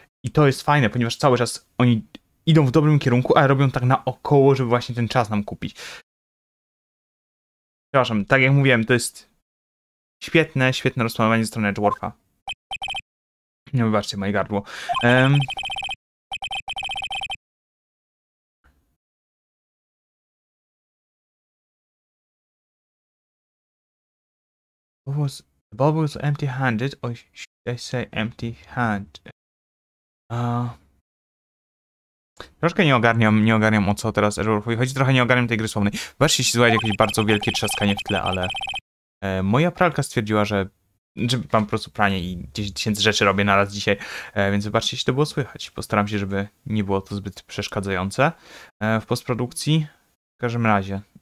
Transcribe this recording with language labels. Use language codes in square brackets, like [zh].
[pl] I to jest fajne, ponieważ cały czas oni idą w dobrym kierunku, ale robią tak naokoło, żeby właśnie ten czas nam kupić. Przepraszam, tak jak mówiłem, to jest świetne rozplanowanie ze strony Edgeworth'a. No wybaczcie, moje gardło. [en] The bubble was empty-handed, or should I say empty-handed? [pl] Troszkę nie ogarniam, o co teraz Edgeworth'owi chodzi, trochę nie ogarniam tej gry słownej. Wreszcie się słychać jakieś bardzo wielkie trzaskanie w tle, ale moja pralka stwierdziła, że mam po prostu pranie i 10 tysięcy rzeczy robię naraz dzisiaj, więc wybaczcie, jeśli to było słychać. Postaram się, żeby nie było to zbyt przeszkadzające w postprodukcji. W każdym razie.